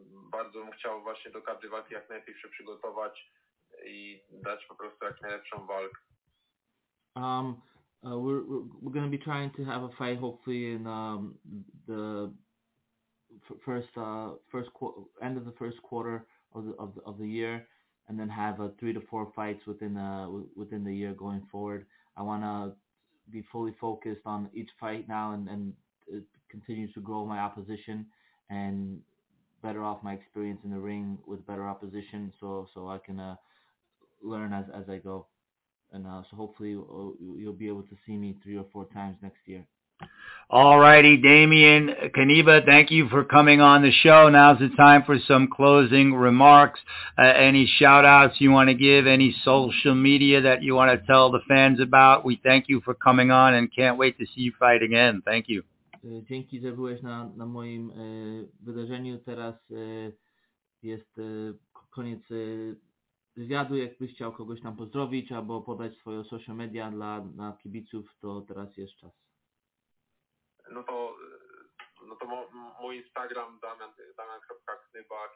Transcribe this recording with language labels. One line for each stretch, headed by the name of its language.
Polish: Bardzo bym chciał właśnie do każdej walki jak najlepiej się przygotować i dać po prostu jak najlepszą walkę.
English: We're going to be trying to have a fight hopefully in end of the first quarter of the year, and then have 3 to 4 fights within the year going forward. I want to be fully focused on each fight now and continue to grow my opposition and better off my experience in the ring with better opposition, so I can learn as I go. And so hopefully you'll be able to see me 3 or 4 times next year. All righty, Damian Knyba, thank you for coming on the show. Now's the time for some closing remarks. Any shout-outs you want to give, any social media that you want to tell the fans about, we thank you for coming on and can't wait to see you fight again. Thank you.
Polish: Dzięki, że byłeś na moim wydarzeniu. Teraz jest koniec wywiadu. Jakbyś chciał kogoś tam pozdrowić albo podać swoje social media dla kibiców, to teraz jest czas. No to mój Instagram damian.knyba.